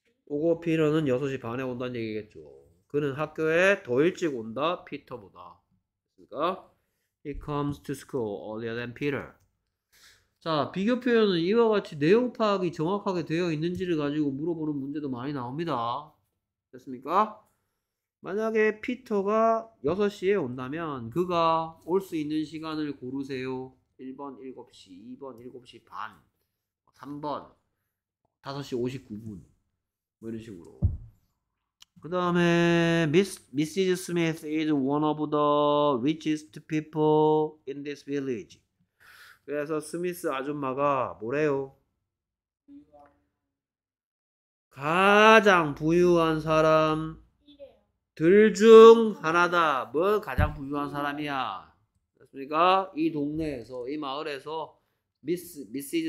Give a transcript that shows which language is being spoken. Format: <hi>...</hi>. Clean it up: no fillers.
<ko>오고 피터는 6시 반에 온다는 얘기겠죠. 그는 학교에 더 일찍 온다 피터보다. 그러니까</ko> <en>He comes to school earlier than Peter.</en> <ko>자, 비교 표현은 이와 같이 내용 파악이 정확하게 되어 있는지를 가지고 물어보는 문제도 많이 나옵니다. 됐습니까? 만약에 피터가 6시에 온다면 그가 올 수 있는 시간을 고르세요. 1번 7시, 2번 7시 반, 3번 5시 59분. 뭐 이런 식으로. 그 다음에 Mrs.</ko> <en>Smith is one of the richest people in this village.</en> <ko>그래서 스미스 아줌마가 뭐래요? 가장 부유한 사람들 중 하나다. 뭐 가장 부유한 사람이야? 그렇습니까? 이 동네에서, 이 마을에서 Mrs.</ko>